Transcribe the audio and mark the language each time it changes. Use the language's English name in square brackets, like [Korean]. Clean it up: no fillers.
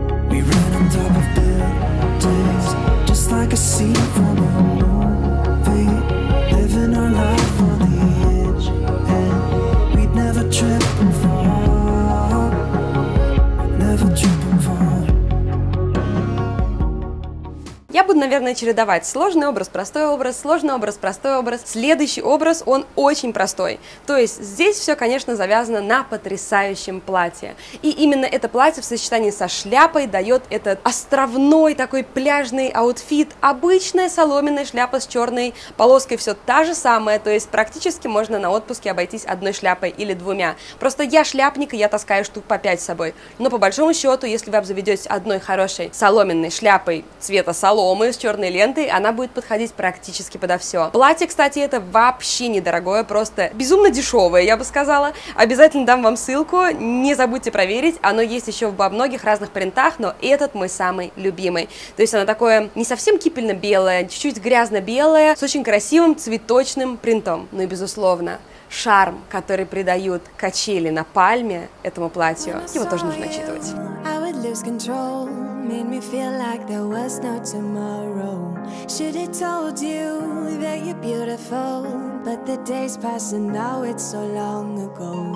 [English] We ran on top of buildings, just like a scene from a movie. Living our life on the edge, and we'd never trip and fall. Never trip and fall. [Russian] Я буду, наверное, чередовать сложный образ, простой образ, сложный образ, простой образ. Следующий образ, он очень простой. То есть здесь все, конечно, завязано на потрясающем платье. И именно это платье в сочетании со шляпой дает этот островной такой пляжный аутфит. Обычная соломенная шляпа с черной полоской, все та же самая. То есть практически можно на отпуске обойтись одной шляпой или двумя. Просто я шляпник, и я таскаю штук по 5 с собой. Но по большому счету, если вы обзаведетесь одной хорошей соломенной шляпой цвета соломы, с черной лентой, она будет подходить практически подо все. Платье, кстати, это вообще недорогое, просто безумно дешевое, я бы сказала. Обязательно дам вам ссылку, не забудьте проверить. Оно есть еще во многих разных принтах, но этот мой самый любимый. То есть оно такое не совсем кипельно-белое, чуть-чуть грязно-белое, с очень красивым цветочным принтом. Ну и безусловно, шарм, который придают качели на пальме этому платью, его тоже нужно учитывать. [English] Made me feel like there was no tomorrow. Should have told you that you're beautiful, but the days pass and now it's so long ago.